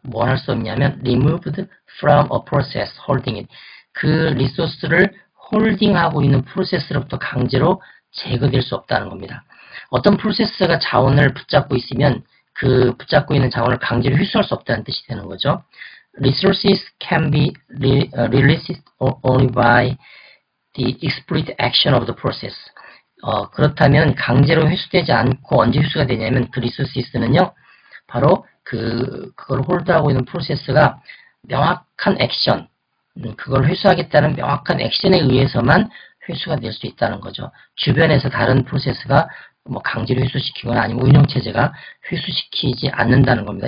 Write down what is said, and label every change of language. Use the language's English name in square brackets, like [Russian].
[Korean] 뭐할수 없냐면, [English] removed from a process holding it. [Korean] 그 리소스를 홀딩하고 있는 프로세스로부터 강제로 제거될 수 없다는 겁니다. 어떤 프로세스가 자원을 붙잡고 있으면 그 붙잡고 있는 자원을 강제로 휴수할 수 없다는 뜻이 되는 거죠. [English] Resources can be released only by the explicit action of the process. [Korean] 그렇다면 강제로 회수되지 않고 언제 회수가 되냐면 그 리소시스는요, 바로 그걸 홀드하고 있는 프로세스가 명확한 액션, 그걸 회수하겠다는 명확한 액션에 의해서만 회수가 될수 있다는 거죠. 주변에서 다른 프로세스가 뭐 강제로 회수시키거나 아니면 운영체제가 회수시키지 않는다는 겁니다.